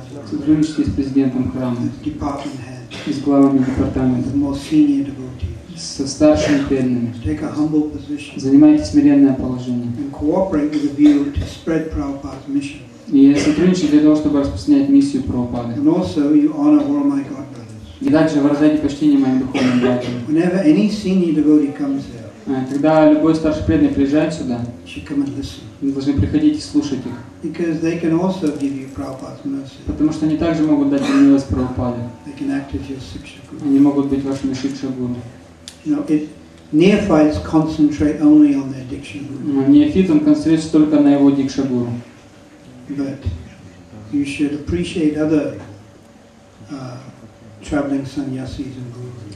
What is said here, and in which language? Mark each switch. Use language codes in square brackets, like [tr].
[ru] Сотрудничайте с президентом храма. И с главами департамента. Со старшими преданными. [en] Take a humble position. [ru] Занимайте смиренное положение. [en] And cooperate with a view to spread Prabhupada's mission. [ru] И сотрудничайте для того, чтобы распространять миссию Прабхупады. [en] And also you honor all my God brothers. [ru] И также выражайте почтение моим духовным братьям. [en] Whenever any senior devotee comes here, [ru] когда любой старший преданный приезжает сюда, вы должны приходить и слушать их. [en] Because they can also give you Prabhupada's mercy. [ru] Потому что они также могут дать милость Прабхупаде. [en] They can act as your shikshaguru. [ru] Они могут быть вашими шикшагуру. [en] You know, if neophytes concentrate only on their dikshaguru. [ru] Неофитам концентрируются только на его дикшагуру. [en] But you should appreciate other traveling sannyasis and gurus.